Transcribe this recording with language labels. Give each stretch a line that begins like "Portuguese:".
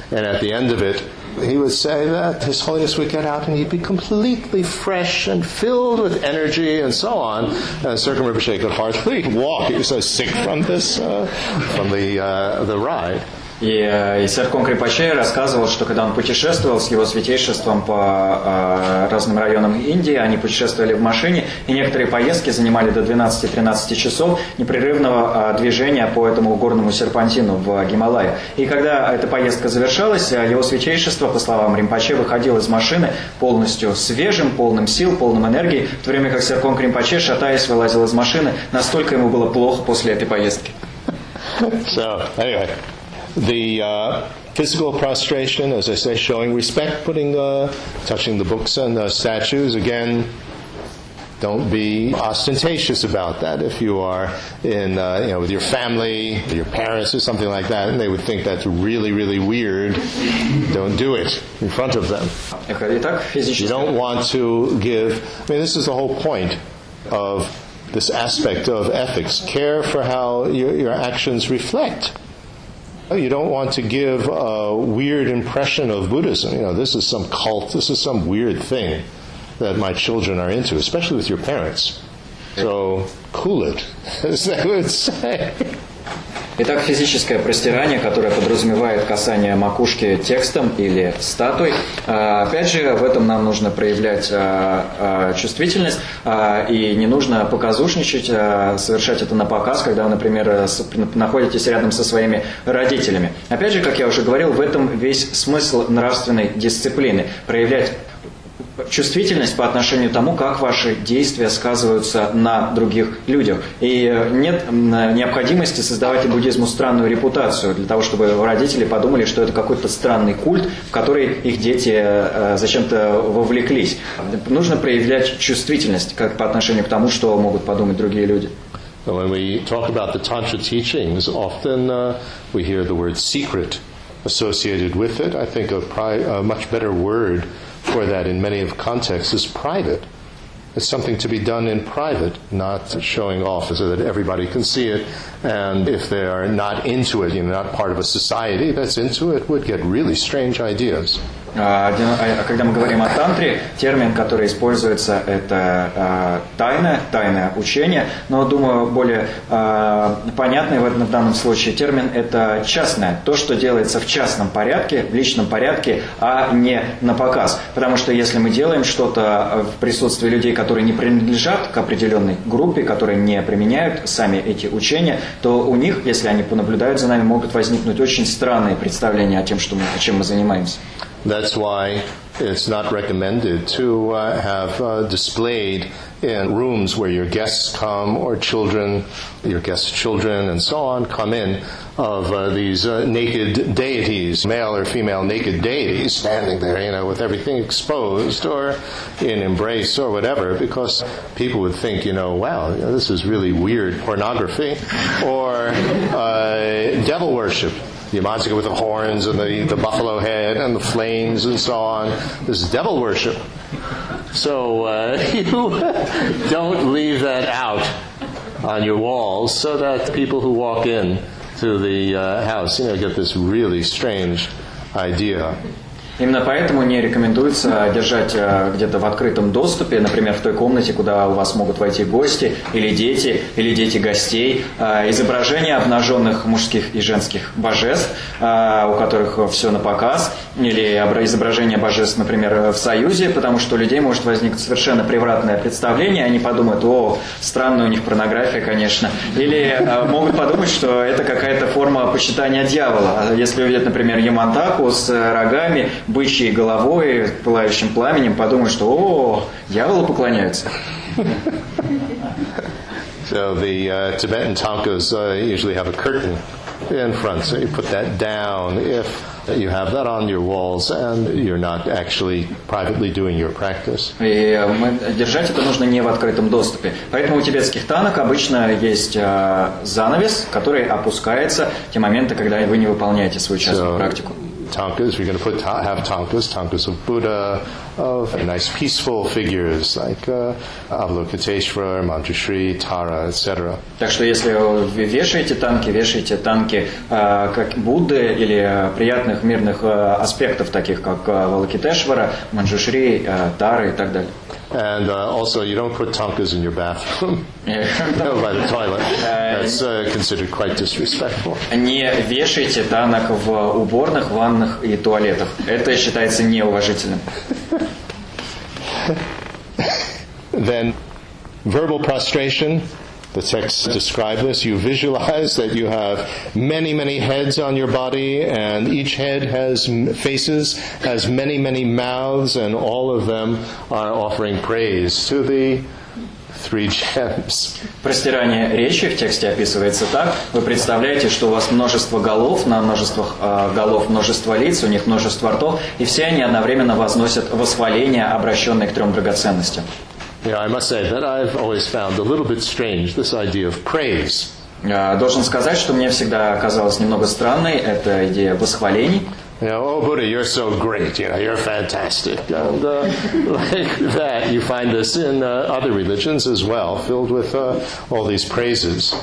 English: And at the end of it, he would say that His Holiness would get out and he'd be completely fresh and filled with energy and so on. Circum Rinpoche could hardly walk. He was so sick from this, from the ride.
Russian: И Серком Крипаче рассказывал, что когда он путешествовал с его святейшеством по разным районам Индии, они путешествовали в машине, и некоторые поездки занимали до 12-13 часов непрерывного движения по этому горному серпантину в Гималаях. И когда эта поездка завершалась, его святейшество, по словам Римпаче, выходил из машины полностью свежим, полным сил, полным энергии, в то время как Серком Крипаче, шатаясь, вылазил из машины, настолько ему было плохо после этой поездки.
English: So, anyway. The physical prostration, as I say, showing respect, putting, touching the books and the statues. Again, don't be ostentatious about that. If you are in, you know, with your family, your parents, or something like that, and they would think that's really, really weird, don't do it in front of them. You don't want to give. I mean, this is the whole point of this aspect of ethics. Care for how your actions reflect. You don't want to give a weird impression of Buddhism. You know, this is some cult, this is some weird thing that my children are into, especially with your parents. So, cool it, as they would say.
Russian: Итак, физическое простирание, которое подразумевает касание макушки текстом или статуей. Опять же, в этом нам нужно проявлять чувствительность, и не нужно показушничать, совершать это на показ, когда вы, например, находитесь рядом со своими родителями. Опять же, как я уже говорил, в этом весь смысл нравственной дисциплины – проявлять чувствительность по отношению к тому, как ваши действия сказываются на других людях. И нет необходимости создавать буддизму странную репутацию, для того, чтобы родители подумали, что это какой-то странный культ, в который их дети зачем-то вовлеклись. Нужно проявлять чувствительность как по отношению к тому, что могут подумать другие люди.
English: When we talk about the tantra teachings, often we hear the word secret associated with it. I think a much better word for that in many of contexts is private. It's something to be done in private, not showing off so that everybody can see it. And if they are not into it, you know, not part of a society that's into it, would get really strange ideas.
Russian: Когда мы говорим о тантре, термин, который используется, это тайное учение. Но, думаю, более понятный в данном случае термин – это частное. То, что делается в частном порядке, в личном порядке, а не на показ. Потому что если мы делаем что-то в присутствии людей, которые не принадлежат к определенной группе, которые не применяют сами эти учения, то у них, если они понаблюдают за нами, могут возникнуть очень странные представления о том, чем мы занимаемся.
English: That's why it's not recommended to have displayed in rooms where your guests come or children, your guests' children and so on come in of these naked deities, male or female naked deities standing there, you know, with everything exposed or in embrace or whatever, because people would think, you know, wow, this is really weird pornography or devil worship. Yamantika with the horns and the buffalo head and the flames and so on. This is devil worship. So you don't leave that out on your walls so that people who walk in to the house, you know, get this really strange idea.
Russian: Именно поэтому не рекомендуется держать где-то в открытом доступе, например, в той комнате, куда у вас могут войти гости или дети гостей, изображения обнаженных мужских и женских божеств, у которых все на показ, или изображения божеств, например, в союзе, потому что у людей может возникнуть совершенно превратное представление, они подумают, о, странная у них порнография, конечно, или могут подумать, что это какая-то форма почитания дьявола. Если увидят, например, Ямантаку с рогами, бычьей головой, пылающим пламенем, подумают, что, о, дьяволу поклоняются.
English: So the Tibetan tankas usually have a curtain in front, so you put that down if you have that on your walls and you're not actually privately doing your practice.
Russian: И держать это нужно не в открытом доступе. Поэтому у тибетских танок обычно есть занавес, который опускается в те моменты, когда вы не выполняете свою частную практику.
English: tankas. We're going to put have tankas, tankas of Buddha, of nice peaceful figures like Avalokiteshvara, Manjushri, Tara, etc.
Russian: Так что если вы вешаете танки как Будды или приятных мирных аспектов таких как Авалокитешвара, Манджушри, Тары и так далее.
English: And also, you don't put tankas in your bathroom by the toilet. That's considered quite disrespectful.
Russian: Не вешайте танок в уборных, ваннах и туалетах. Это считается неуважительным.
English: Then, verbal prostration. The texts describe this. You visualize that you have many, many heads on your body, and each head has faces, has many, many mouths, and all of them are offering praise to the three gems.
Russian: Простирание речи в тексте описывается так. Вы представляете, что у вас множество голов, на множество голов множество лиц, у них множество ртов, и все они одновременно возносят восхваление, обращенное к трем драгоценностям.
English: Yeah, I must say that I've always found a little bit strange this idea of praise.
Russian: Должен сказать, что мне всегда казалось немного странной эта идея восхвалений.
English: Yeah, oh Buddha, you're so great. You know, you're fantastic. And like that, you find this in other religions as well, filled with all these praises.